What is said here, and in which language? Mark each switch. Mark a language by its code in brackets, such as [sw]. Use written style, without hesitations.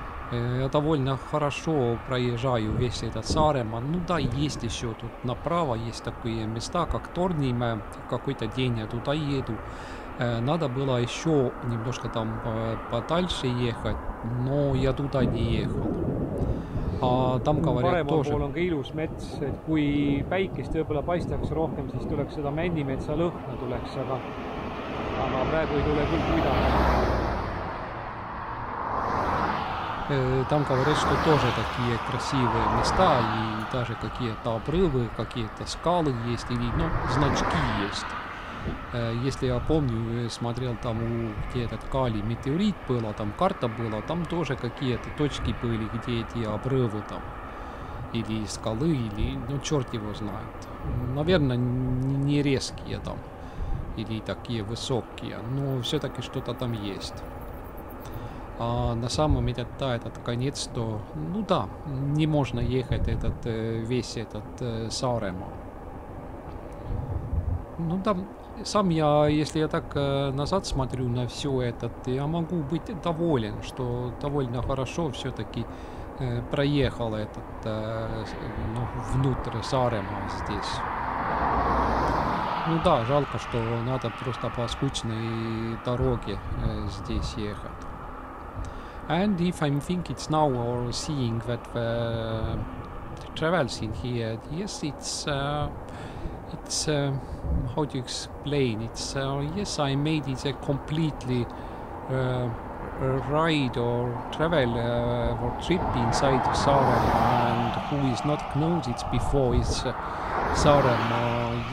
[ru] Я довольно хорошо проезжаю весь этот Саарема. Ну да, есть еще тут направо, есть такие места, как Торниме, какой-то день я туда еду. Надо было еще немножко там подальше ехать, но я туда не ехал. А там говорят [et] Parema [ru] тоже. [et] Parema pool on ilus mets, et kui päikest võibolla paistaks rohkem, siis tuleks seda männimetsa lõhna tuleks, aga praegu ei tule küll kuidagi. [ru] Там говорят, что тоже такие красивые места, и даже какие-то обрывы, какие-то скалы есть, или, ну, значки есть. Если я помню, смотрел там, где этот калий метеорит был, там карта была, там тоже какие-то точки были, где эти обрывы там, или скалы, или, ну, черт его знает. Наверное, не резкие там, или такие высокие, но все-таки что-то там есть. А на самом деле, да, этот конец, то, ну да, не можно ехать этот, весь этот Саарема. Ну да, сам я, если я так назад смотрю на все это, я могу быть доволен, что довольно хорошо все-таки проехал этот, ну, внутрь Саарема здесь. Ну да, жалко, что надо просто по скучной дороге здесь ехать. [en] And if I'm thinking it's now or seeing that the travels in here, yes, it's how do you explain? It's yes, I made it a completely ride or travel or trip inside Saarema, and who is not knows it before is Saarema.